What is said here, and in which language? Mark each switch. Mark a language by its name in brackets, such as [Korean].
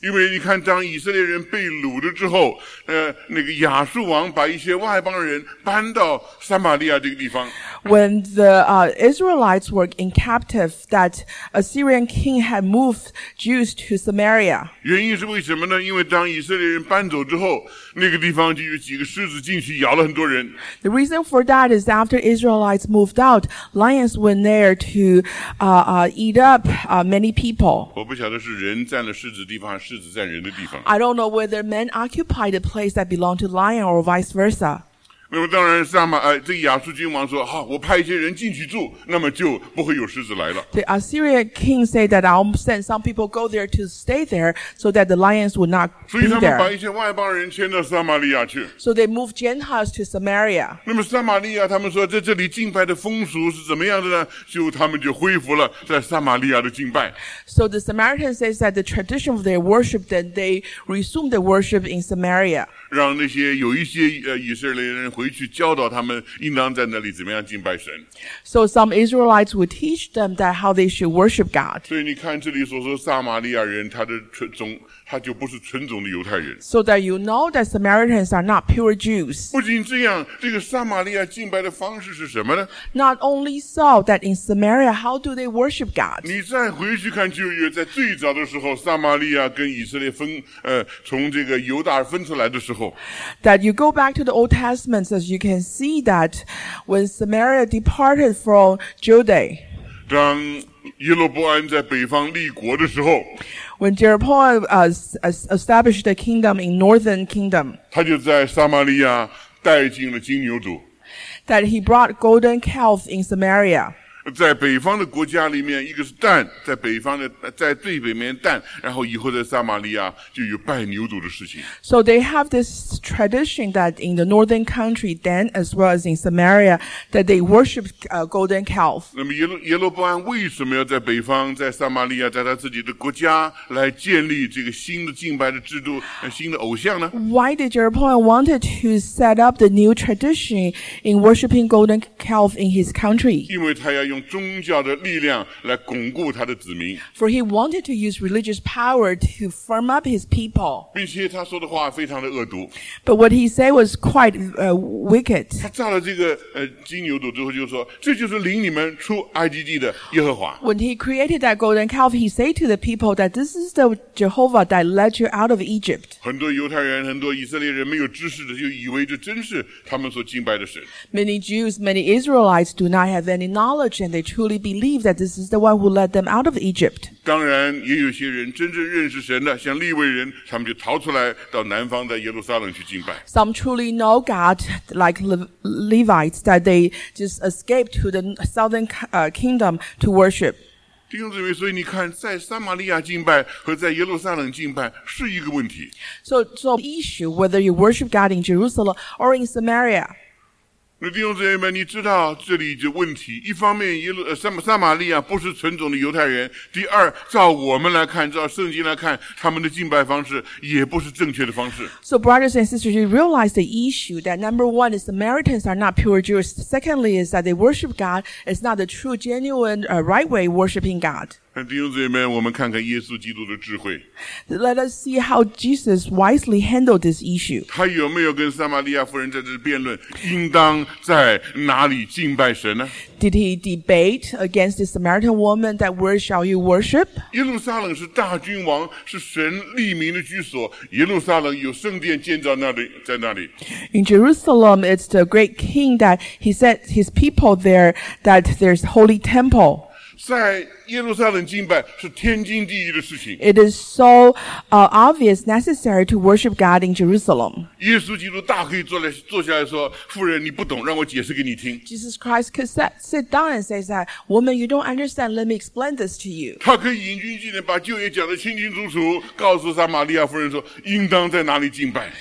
[Chinese] 因为你看，当以色列人被掳了之后，那个亚述王把一些外邦人搬到撒玛利亚这个地方。 [English] When the Israelites were in captive, that Assyrian king had moved Jews to Samaria. [Chinese] 原因是为什么呢？因为当以色列人搬走之后，那个地方就有几个狮子进去咬了很多人。 [English] The reason for that is after Israelites moved out, lions went there to eat up many people. [Chinese] 我不晓得是人占了狮子地方，狮子占人的地方。 [English] I don't know whether men occupy the place that belonged to lion or vice versa. [Chinese] 那么当然，这个亚述君王说：“好，我派一些人进去住，那么就不会有狮子来了。” [English] The Assyrian king said that I'll send some people go there to stay there so that the lions would not be there. [Chinese] 所以他们把一些外邦人迁到撒玛利亚去。 [English] So they moved Gentiles to Samaria. [Chinese] 那么撒玛利亚，他们说在这里敬拜的风俗是怎么样的呢？就他们就恢复了在撒玛利亚的敬拜。 [English] So the Samaritan says that the tradition of their worship, then they resumed the worship in Samaria. [Chinese] 让那些有一些以色列人回去教导他们应当在那里怎么样敬拜神。 [English] So some Israelites would teach them that how they should worship God. [Chinese] 所以你看这里所说撒玛利亚人他的纯种他就不是纯种的犹太人。 [English] So that you know that Samaritans are not pure Jews. [Chinese] 不仅这样这个撒玛利亚敬拜的方式是什么呢 [English] ?Not only so, that in Samaria, how do they worship God? [Chinese] 你再回去看旧约在最早的时候撒玛利亚跟以色列从这个犹大分出来的时候。 [English] That you go back to the Old Testament,as you can see that when Samaria departed from Judea, when Jeroboam established the kingdom in northern kingdom, that he brought golden calf in Samaria. [Chinese] 在北方的国家里面一个是蛋在北方的在最北面蛋然后以后在撒玛利亚就有拜牛犊的事情。 [English] So they have this tradition that in the northern country, then as well as in Samaria, that they worship golden calf. [Chinese] 那么耶罗波安为什么要在北方在撒玛利亚在他自己的国家来建立这个新的敬拜的制度新的偶像呢 [English] ?Why did Jeroboam wanted to set up the new tradition in worshipping golden calf in his country? [Chinese] 因为他要用宗教的力量来巩固他的子民。 [English] For he wanted to use religious power to firm up his people. [Chinese] 并且他说的话非常的恶毒。 [English] But what he said was quite wicked. [Chinese] 他造了这个金牛犊之后就说这就是领你们出埃及地的耶和华。 [English] When he created that golden calf, he said to the people that this is the Jehovah that led you out of Egypt. [Chinese] 很多犹太人很多以色列人没有知识的就以为这真是他们所敬拜的神。 [English] Many Jews, many Israelites do not have any knowledge. And they truly believe that this is the one who led them out of Egypt. [Chinese] 当然也有些人真正认识神的像利未人他们就逃出来到南方的耶路撒冷去敬拜。 [English] Some truly know God like Levites that they just escaped to the southern kingdom to worship. [Chinese] 弟兄姊妹所以你看在撒玛利亚敬拜和在耶路撒冷敬拜是一个问题。 [English] So the issue whether you worship God in Jerusalem or in Samaria. [Chinese] 那弟兄姊妹们你知道这里的问题一方面撒玛利亚不是纯种的犹太人第二照我们来看照圣经来看他们的敬拜方式也不是正确的方式。 [English] So brothers and sisters, you realize the issue that number one is Samaritans are not pure Jews. Secondly is that they worship God. It's not the true, genuine, right way worshiping God. [Chinese] 弟兄姊妹们我们看看耶稣基督的智慧。 [English] Let us see how Jesus wisely handled this issue. [Chinese] 他有没有跟撒玛利亚夫人在这辩论应当在哪里敬拜神呢 [English] ?Did he debate against the Samaritan woman that where shall you worship? [Chinese] 耶路撒冷是大君王是神立民的居所耶路撒冷有圣殿建造那里在那里。 [English] In Jerusalem, it's the great king that he set his people there that there's holy temple. [Chinese] 在耶路撒冷敬拜是天经地义的事情。 [English] It is so, obvious, necessary to worship God in Jerusalem. [Chinese] 耶稣基督大可以坐下来说，妇人你不懂，让我解释给你听。 [English] Jesus Christ could sit down and say that, woman, you don't understand, let me explain this to you. [Chinese] 他可以引经据典把旧约讲得清清楚楚，告诉撒玛利亚妇人说，应当在哪里敬拜。